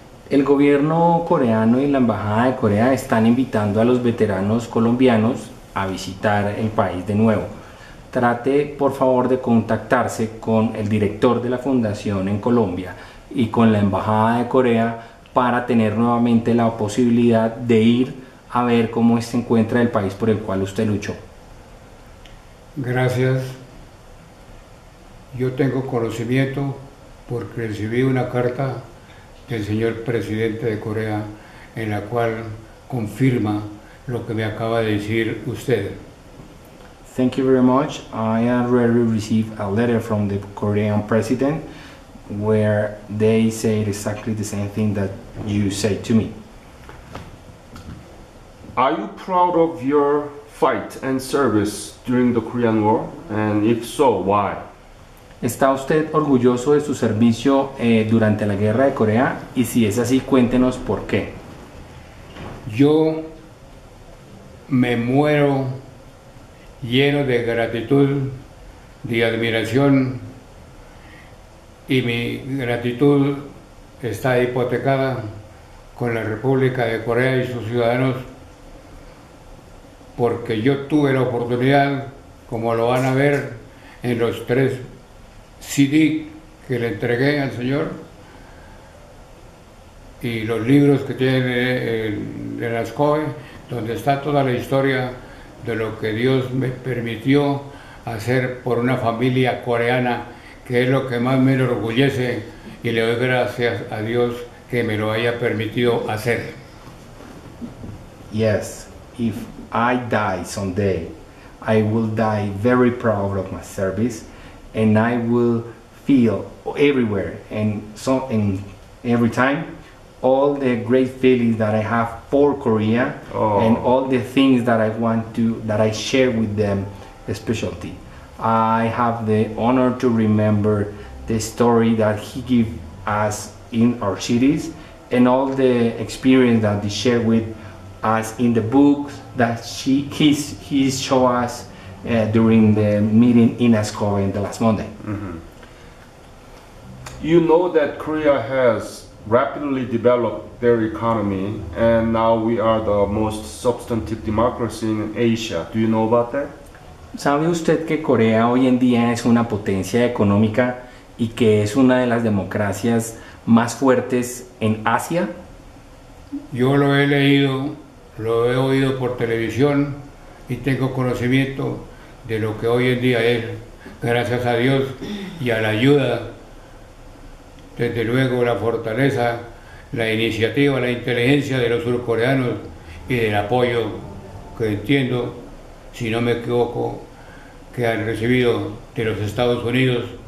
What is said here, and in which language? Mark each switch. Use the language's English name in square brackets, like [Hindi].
[Spanish] El gobierno coreano y la embajada de Corea están invitando a los veteranos colombianos a visitar el país de nuevo. Trate por favor de contactarse con el director de la fundación en Colombia y con la embajada de Corea para tener nuevamente la posibilidad de ir a ver cómo se encuentra el país por el cual usted luchó. Gracias. Yo tengo conocimiento porque recibí una carta del señor presidente de Corea en la cual confirma lo que me acaba de decir usted. [English] Thank you very much. I already received a letter from the Korean president where they say exactly the same thing that you say to me. Are you proud of your fight and service during the Korean War? And if so, why? [Spanish] ¿Está usted orgulloso de su servicio durante la Guerra de Corea? Y si es así, cuéntenos por qué. Yo me muero lleno de gratitud, de admiración, y mi gratitud está hipotecada con la República de Corea y sus ciudadanos, porque yo tuve la oportunidad, como lo van a ver en los tres CD que le entregué al señor y los libros que tiene en las COE, donde está toda la historia de lo que Dios me permitió hacer por una familia coreana, que es lo que más me enorgullece, y le doy gracias a Dios que me lo haya permitido hacer. [English] Yes, if I die someday, I will die very proud of my service, and I will feel everywhere and so and every time all the great feelings that I have for Korea and all the things that I want to that I share with them, especially. I have the honor to remember the story that he gave us in our cities and all the experience that he shared with us in the books that he showed us during the meeting in Ascove in the last Monday. You know that Korea has rapidly developed their economy and now we are the most substantive democracy in Asia. Do you know about that? [Spanish] ¿Sabe usted que Corea hoy en día es una potencia económica y que es una de las democracias más fuertes en Asia? Yo lo he leído, lo he oído por televisión y tengo conocimiento de lo que hoy en día es, gracias a Dios y a la ayuda, desde luego la fortaleza, la iniciativa, la inteligencia de los surcoreanos y del apoyo que entiendo, si no me equivoco, que han recibido de los Estados Unidos,